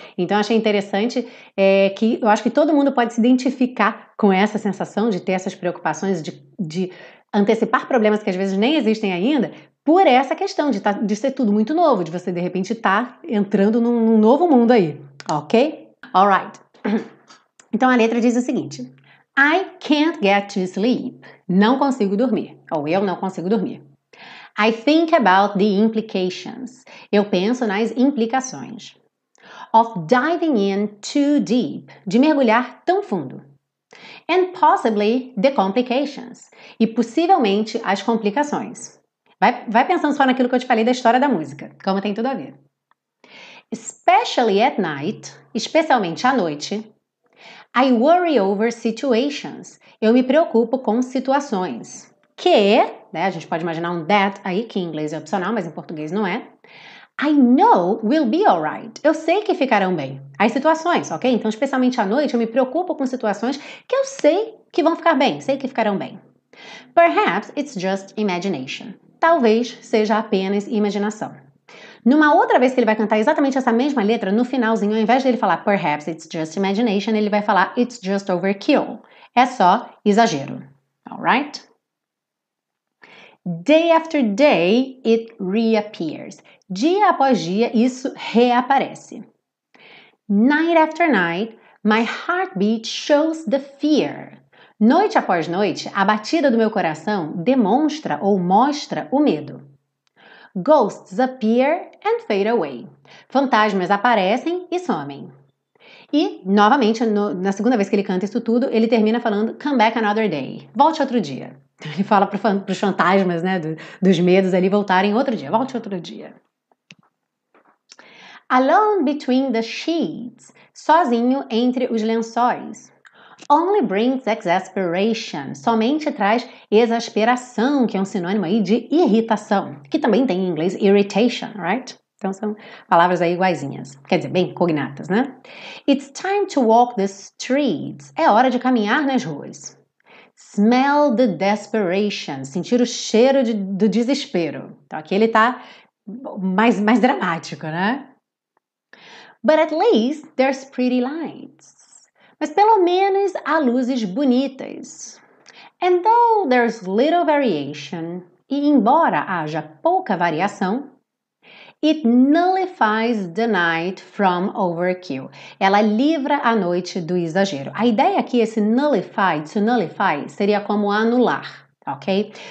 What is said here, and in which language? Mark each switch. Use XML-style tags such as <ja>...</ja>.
<pt>Então achei interessante, que eu acho que todo mundo pode se identificar com essa sensação de ter essas preocupações, de antecipar problemas que às vezes nem existem ainda, por essa questão de ser tudo muito novo, de você de repente estar entrando num novo mundo aí, ok? Alright. Então a letra diz o seguinte:</pt> <en>I can't get to sleep.</en> <pt>Não consigo dormir. Ou eu não consigo dormir.</pt> <en>I think about the implications.</en> <pt>Eu penso nas implicações.</pt> <en>Of diving in too deep.</en> <pt>De mergulhar tão fundo.</pt> <en>And possibly the complications.</en> <pt>E possivelmente as complicações. Vai pensando só naquilo que eu te falei da história da música, como tem tudo a ver.</pt> <en>Especially at night,</en> <pt>especialmente à noite,</pt> <en>I worry over situations.</en> <pt>Eu me preocupo com situações. que, né, a gente pode imaginar um that aí, que em inglês é opcional, mas em português não é.</pt> <en>I know we'll be alright.</en> <pt>Eu sei que ficarão bem. As situações, ok? Então, especialmente à noite, eu me preocupo com situações que eu sei que vão ficar bem, sei que ficarão bem.</pt> <en>Perhaps it's just imagination.</en> <pt>Talvez seja apenas imaginação. Numa outra vez que ele vai cantar exatamente essa mesma letra, no finalzinho, ao invés de ele falar</pt> <en>perhaps it's just imagination,</en> <pt>ele vai falar</pt> <en>it's just overkill.</en> <pt>É só exagero. Alright?</pt> <en>Day after day, it reappears.</en> <pt>Dia após dia, isso reaparece.</pt> <en>Night after night, my heartbeat shows the fear.</en> <pt>Noite após noite, a batida do meu coração demonstra ou mostra o medo.</pt> <en>Ghosts appear and fade away.</en> <pt>Fantasmas aparecem e somem. E, novamente, na segunda vez que ele canta isso tudo, ele termina falando</pt> <en>come back another day.</en> <pt>Volte outro dia. Ele fala para os fantasmas, né, dos medos ali voltarem outro dia. Volte outro dia.</pt> <en>Alone between the sheets.</en> <pt>Sozinho entre os lençóis.</pt> <en>Only brings exasperation.</en> <pt>Somente traz exasperação, que é um sinônimo aí de irritação. Que também tem em inglês irritation, right? Então são palavras aí iguaizinhas. Quer dizer, bem cognatas, né?</pt> <en>It's time to walk the streets.</en> <pt>É hora de caminhar nas ruas.</pt> <en>Smell the desperation.</en> <pt>Sentir o cheiro do desespero. Então aqui ele tá mais dramático, né?</pt> <en>But at least there's pretty lights.</en> <pt>Mas pelo menos há luzes bonitas.</pt> <en>And though there's little variation,</en> <pt>e embora haja pouca variação,</pt> <en>it nullifies the night from overkill.</en> <pt>Ela livra a noite do exagero. A ideia aqui, esse nullify, to nullify, seria como anular, ok?</pt>